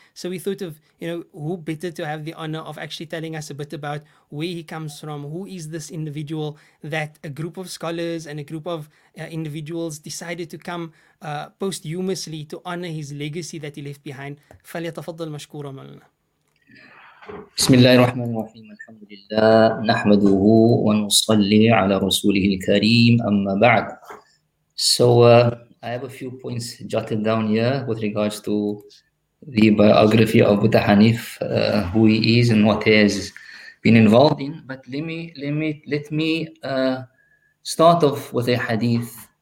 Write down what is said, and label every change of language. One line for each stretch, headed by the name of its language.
English: So we thought of, you know, who better to have the honor of actually telling us a bit about where he comes from, who is this individual that a group of scholars and a group of individuals decided to come posthumously to honor his legacy that he left behind.
Arabic: Falyatafaddal mashkura, Mawlana. بسم الله الرحمن الرحيم الحمد لله نحمده ونصلي على رسوله الكريم أما بعد.
English: So I have a few points jotted down here with regards to the biography of Buta Hanif, who he is and what he has been involved in. But let me start off with a hadith.